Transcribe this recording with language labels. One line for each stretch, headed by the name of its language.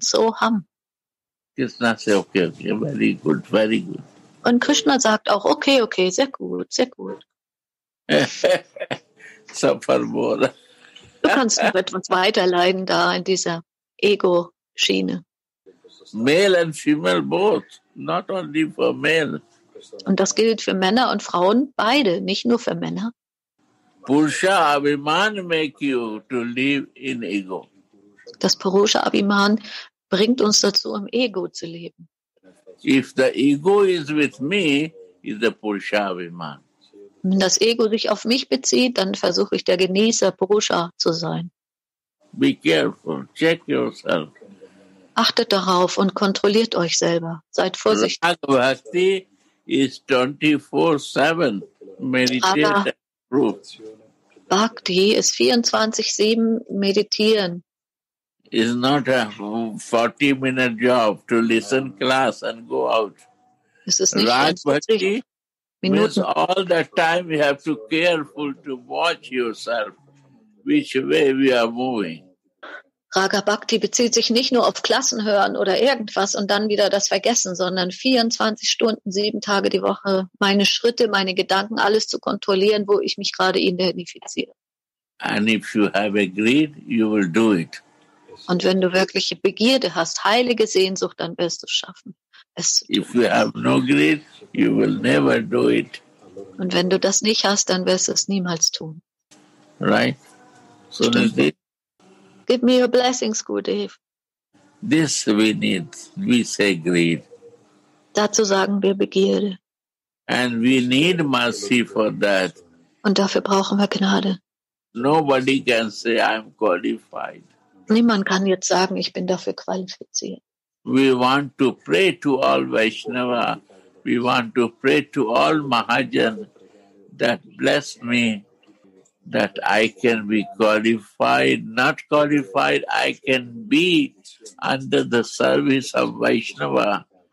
German: So ham. Krishna sagt,
English: okay, very good, very good.
German: Und Krishna sagt auch, okay, sehr gut, sehr gut. Saparmora. Du kannst noch etwas weiterleiden da in dieser Ego-Schiene.
English: Male and female both, not only for male.
German: Und das gilt für Männer und Frauen beide, nicht nur für Männer.
English: Purusha Abhiman make you to live in ego.
German: Das Purusha Abhiman bringt uns dazu, im Ego zu leben.
English: If the ego is with me, is the Purusha Abhiman.
German: Wenn das Ego sich auf mich bezieht, dann versuche ich der Genießer Purusha zu sein.
English: Be careful, check yourself.
German: Achtet darauf und kontrolliert euch selber. Seid vorsichtig.
English: Raga Bhakti is 24/7 meditation proof.
German: Bhakti ist 24/7 meditieren.
English: It's not a 40-minute job to listen class and go out.
German: Es ist nicht Raga Bhakti 40 Minuten.
English: Means all the time you have to careful to watch yourself. Which way we are moving.
German: Raga Bhakti bezieht sich nicht nur auf Klassen hören oder irgendwas und dann wieder das Vergessen, sondern 24 Stunden, 7 Tage die Woche, meine Schritte, meine Gedanken, alles zu kontrollieren, wo ich mich gerade identifiziere.
English: And if you have a greed, you will do it.
German: Und wenn du wirkliche Begierde hast, heilige Sehnsucht, dann wirst du es schaffen.
English: If you have no greed, you will never do it.
German: Und wenn du das nicht hast, dann wirst du es niemals tun.
English: Right? So give me your blessings, Gurudev. This we need. We say greed.
German: Dazu sagen wir Begierde.
English: And we need mercy for that.
German: Und dafür brauchen wir Gnade.
English: Nobody can say I'm qualified. Niemand kann jetzt sagen, ich bin dafür qualifiziert. We want to pray to all Vaishnava. We want to pray to all Mahajan that bless me, that I can be qualified, not qualified, I can be under the service of Vaishnava.